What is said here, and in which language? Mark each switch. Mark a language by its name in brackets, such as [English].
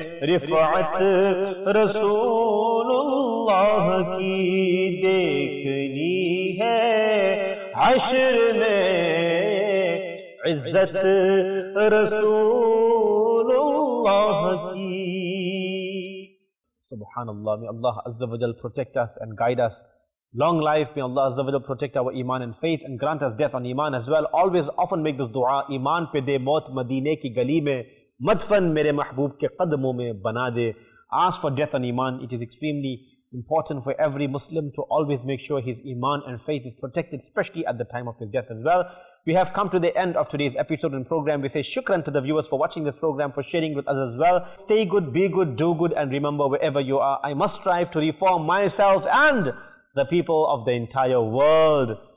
[Urdu] رفعت رسول اللہ کی، دیکھنی ہے حشر میں عزت رسول اللہ کی۔ [English] سبحان اللہ۔ May Allah عز و جل protect us and guide us. Long life. May Allah عز و جل protect our iman and faith and grant us death on iman as well. Always often make this dua. [Urdu] ایمان پہ دے موت مدینے کی گلی میں، مدفن میرے محبوب کے قدموں میں بنا دے۔ [English] Ask for death on iman. It is extremely important for every Muslim to always make sure his iman and faith is protected, especially at the time of his death as well. We have come to the end of today's episode and program. We say shukran to the viewers for watching this program, for sharing with us as well. Stay good, be good, do good, and remember, wherever you are, I must strive to reform myself and the people of the entire world.